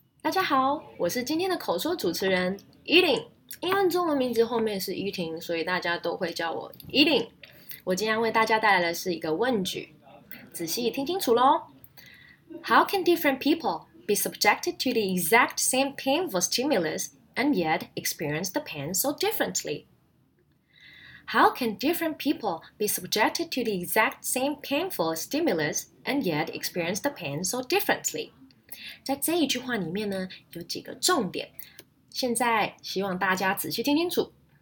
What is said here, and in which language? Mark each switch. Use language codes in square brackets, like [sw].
[zh] 家好，我是今天的口说主持人依琳。因为中文名字后面是依婷，所以大家都会叫我依琳。我今天为大家带来的是一个问句，仔细听清楚咯。 [en] How can different people be subjected to the exact same painful stimulus and yet experience the pain so differently? How can different people be subjected to the exact same painful stimulus and yet experience the pain so differently? [zh] 在这一句话里面呢，有几个重点。现在希望大家仔细听清楚。